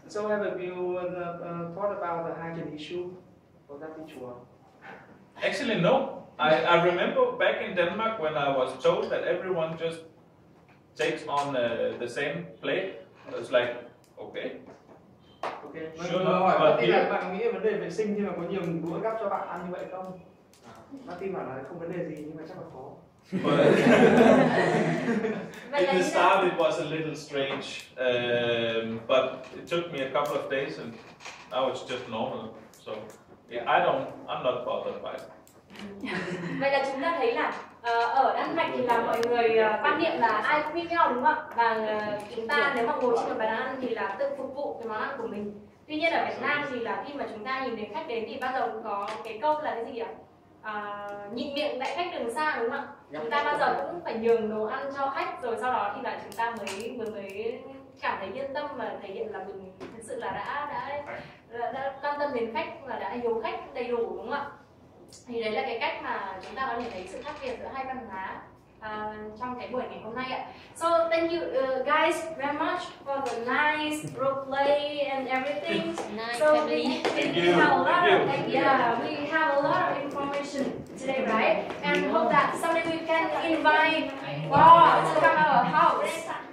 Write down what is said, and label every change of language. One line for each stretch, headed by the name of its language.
English: So have you thought about the hygiene issue for that ritual? Actually, no. I remember back in Denmark when I was told that everyone just takes on the same plate. I was like, okay, Okay.
Vietnamese: Sure, mình hỏi Martin là bạn nghĩ vấn đề vệ sinh khi mà có nhiều đũa gắp cho bạn ăn như vậy không? Martin bảo là không vấn đề gì nhưng mà chắc là khó. In the start it was a little strange, but it took me a couple of days and now it's just normal. So yeah, I'm not bothered by it. Vậy là chúng ta thấy là ở Đan Mạch thì là mọi người quan niệm là ai quy theo đúng không ạ? Và chúng ta nếu mà ngồi trên một bàn ăn thì là tự phục vụ cái món ăn của mình. Tuy nhiên ở Việt Nam thì là khi mà chúng ta nhìn đến khách đến thì bao giờ cũng có cái câu là cái gì ạ? Nhịn miệng đại khách đường xa đúng không ạ? Chúng ta bao giờ cũng phải nhường đồ ăn cho khách rồi sau đó thì là chúng ta mới cảm thấy yên tâm và thể hiện là mình thực sự là đã quan tâm đến khách và đã hiếu khách đầy đủ đúng không ạ? Thì đấy là cái cách mà chúng ta có thể thấy sự khác biệt giữa hai văn hóa trong cái buổi ngày hôm nay ạ.
English: So thank you guys very much for the nice role play and everything. Nice. So we have a lot of information today, right? And hope that someday we can invite to come to our house.